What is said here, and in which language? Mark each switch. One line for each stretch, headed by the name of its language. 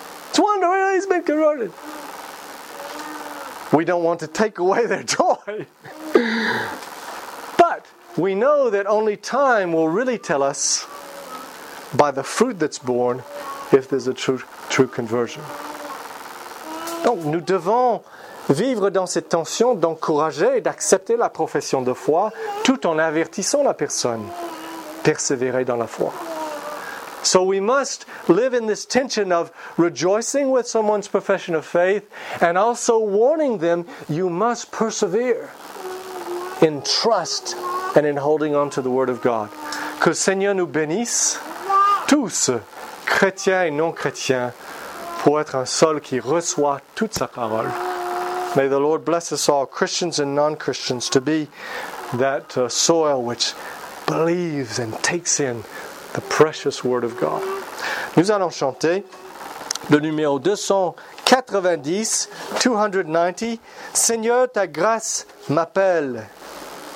English: It's wonderful, he's been converted. We don't want to take away their joy. But we know that only time will really tell us by the fruit that's born if there's a true conversion.
French: Donc, nous devons vivre dans cette tension d'encourager et d'accepter la profession de foi tout en avertissant la personne. Persévérer dans la foi.
English: So we must live in this tension of rejoicing with someone's profession of faith and also warning them, you must persevere in trust and in holding on to the Word of God.
French: Que le Seigneur nous bénisse tous, chrétiens et non-chrétiens, pour être un sol qui reçoit toute sa parole.
English: May the Lord bless us all, Christians and non-Christians, to be that soil which believes and takes in the precious Word of God.
French: Nous allons chanter le numéro 290, 290, « Seigneur, ta grâce m'appelle ».